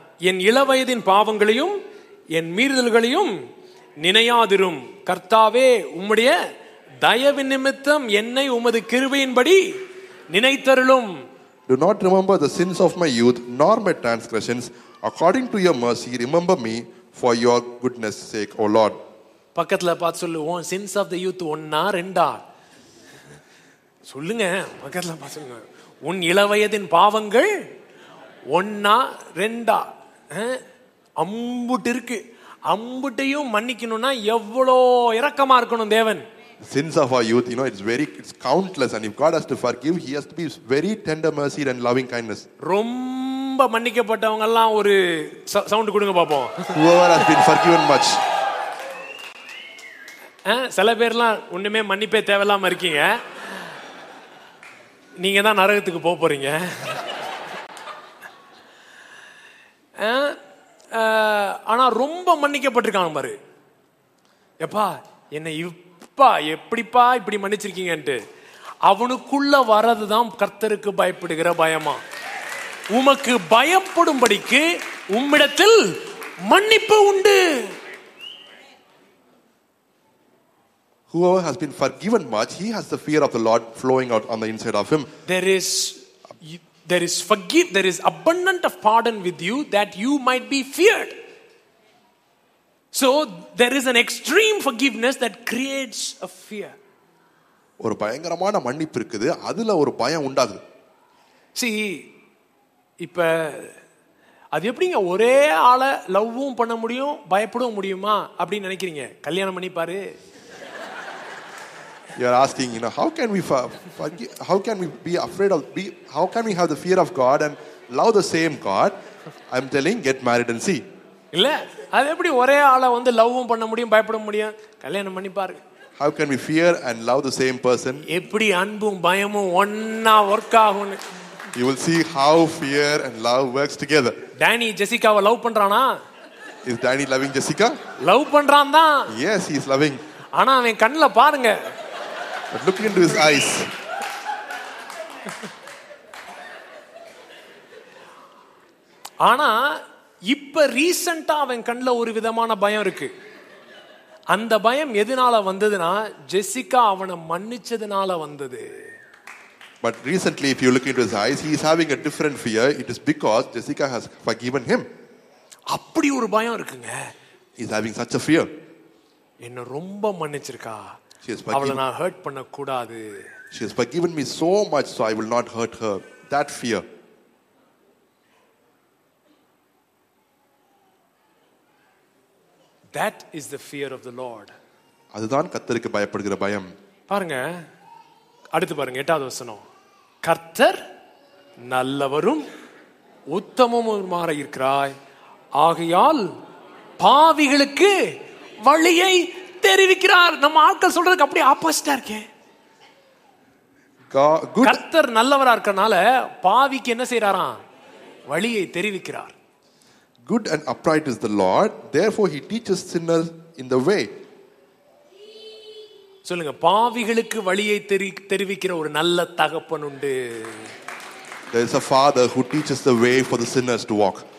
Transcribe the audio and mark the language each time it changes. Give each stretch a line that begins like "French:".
Tamil: என் இளவயதின் பாவங்களையும் என் மீறுதல்களையும் நினையாதிரும். கர்த்தாவே உம்முடைய தயவின் நிமித்தம் என்னை உமது கிருபையின்படி நினைத்தருளும்.
English: Do not remember the sins of my youth nor my transgressions. According to your mercy, remember me for your goodness sake, O Lord.
Tamil: பக்கத்துல பாத்து சொல்லு, உன்
English: sins of the youth
Tamil: ஒன்னா ரெண்டா சொல்லுங்க. பக்கத்துல பாத்து சொல்லுங்க, உன் இளவயதின் பாவங்கள் ஒன்னா ரெண்டா? அம்புட்டு இருக்கு. அம்புட்டையும் மன்னிக்கணும்னா எவ்வளோ இரக்கமா இருக்கணும் தேவன்.
English: Sins of our youth, you know, it's countless, and if God has to forgive, he has to be very tender mercy and loving kindness.
Tamil: Romba mannikapattavanga alla oru sound kudunga paapom.
English: Whoever has been forgiven much.
Tamil: Sila perla onnume mannippe thevalama irukinga. Neenga dhaan naragathukku po poringa. Ana romba mannikapattirukanga paaru. Eppa enna எப்படிப்பா இப்படி மன்னிச்சிருக்கீங்க? அவனுக்குள்ள வரதுதான் கர்த்தருக்கு பயப்படுகிற பயமா. உமக்கு பயப்படும்படிக்கு உம்மிடத்தில் மன்னிப்பு உண்டு.
English: Whoever has been forgiven much, he has the fear of the Lord flowing out on the inside of him. There is abundant of pardon with you that you might be feared. So there is an extreme forgiveness that creates a fear.
Tamil: ஒரு பயங்கரமான மன்னிப்பு இருக்குது, அதுல ஒரு பயம் உண்டாது. See, இப்ப அது எப்படிங்க ஒரே ஆளை லவ்வும் பண்ண முடியும் பயப்படவும் முடியுமா அப்படின்னு நினைக்கிறீங்க? கல்யாணம் பண்ணிப்பாரு.
English: You are asking, you know, how can we have the fear of God and love the same God? I'm telling, get married and see.
Tamil: இல்ல, அது எப்படி ஒரே ஆளை வந்து லவ்வும் பண்ண முடியும் பயப்பட முடியும்? கல்யாணம் பண்ணி பாருங்க.
English: How can we fear and love the same person?
Tamil: எப்படி அன்பும் பயமும் ஒண்ணா வர்க் ஆகும்?
English: You will see how fear and love works together.
Tamil: Danny Jessica-வை love பண்றானா?
English: Is Danny loving Jessica?
Tamil: Love பண்றான் தான்.
English: Yes, he is loving.
Tamil: ஆனா அவன் கண்ணல பாருங்க.
English: But look into his eyes.
Tamil: ஆனா இப்ப ரீசெண்டா அவன் கண்ணில் ஒரு விதமான பயம் இருக்கு. அந்த பயம் எதனால வந்ததுன்னா, ஜெசிகா அவனை மன்னிச்சதுனால வந்தது.
English: But recently, if you look into his eyes, he is having a different fear. It is because Jessica has forgiven him.
Tamil: அப்படி ஒரு பயம் இருக்குங்க.
English: He is having such a fear.
Tamil: என்ன ரொம்ப மன்னிச்சிருக்கா, அவளை நான் ஹர்ட் பண்ண கூடாது.
English: She has forgiven me so much, so I will not hurt her. That fear. That is the fear of the Lord.
Tamil: அதுதான் கர்த்தருக்கு பயப்படுகிற பயம். பாருங்க அடுத்து பாருங்க, 8வது வசனம். கர்த்தர் நல்லவரும் உத்தமமுமாக இருக்கிறாய், ஆகையால் பாவிகளுக்கு வழியை தெரிவிக்கிறார். நம்ம ஆட்கள் சொல்றதுக்கு அப்படியே ஆப்போசிட்டா இருக்கே. கர்த்தர் நல்லவரா இருக்கனால பாவிக்கு என்ன செய்யறாராம்? வழியை தெரிவிக்கிறார்.
English: Good and upright is the Lord, therefore he teaches sinners in the way.
Tamil: சொல்லுங்க, பாவிகளுக்கு வழியை தெரிவிக்கிற ஒரு நல்ல தகப்பன் உண்டு.
English: There is a father who teaches the way for the sinners to walk.